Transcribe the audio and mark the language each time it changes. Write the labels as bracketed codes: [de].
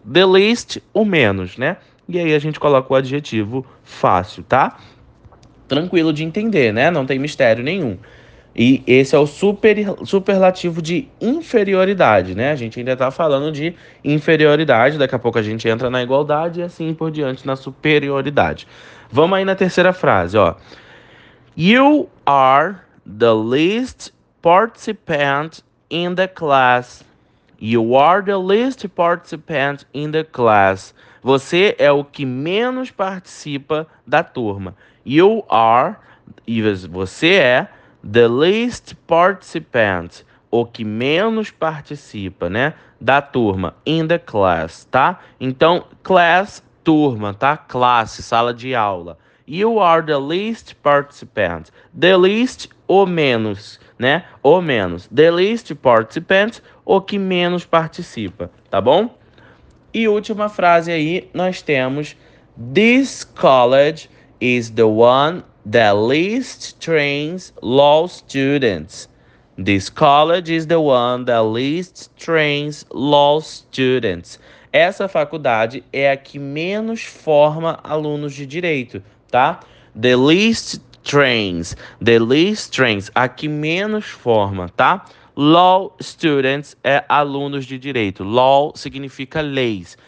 [en] The least, [pt] o menos, né? E aí a gente coloca o adjetivo fácil, tá? Tranquilo de entender, né? Não tem mistério nenhum. E esse é o superlativo de inferioridade, né? A gente ainda tá falando de inferioridade. Daqui a pouco a gente entra na igualdade e assim por diante na superioridade. Vamos aí na terceira frase, ó. [en] You are the least participant in the class. You are the least participant in the class. [pt] Você é o que menos participa da turma. [en] You are, [pt] você é [en] the least participant, [pt] o que menos participa, né, da turma, [en] in the class, [pt] tá? Então, class, turma, tá? Classe, sala de aula. [en] You are the least participant. The least, [pt] o menos, né? O menos. [en] The least participant, [pt] o que menos participa, tá bom? E última frase aí, nós temos: [en] This college is the one that least trains law students. This college is the one that least trains law students. [pt] Essa faculdade é a que menos forma alunos de direito, tá? [en] The least trains. The least trains. [pt] A que menos forma, tá? [en] Law students [pt] é alunos de direito. Law significa leis.